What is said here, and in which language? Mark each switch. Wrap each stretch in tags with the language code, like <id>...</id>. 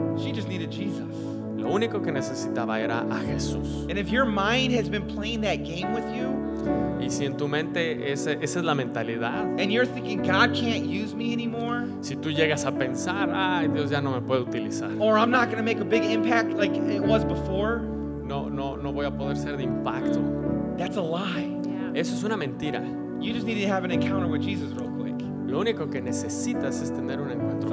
<en>She just needed Jesus.</en> <es>Lo único que necesitaba era a Jesús.</es> <en>And if your mind has been playing that game with you,</en> <es>y si en tu mente esa es la mentalidad,</es> <en>and you're thinking God can't use me anymore,</en> <es>si tú llegas a pensar, ay, Dios ya no me puede utilizar,</es> <en>or I'm not going to make a big impact like it was before,</en> <es>no voy a poder ser de impacto.</es> <en>That's a lie.</en> <es>Eso es una mentira.</es> <en>You just need to have an encounter with Jesus real quick.</en> <es>Lo único que necesitas es tener un encuentro con Jesús.</es>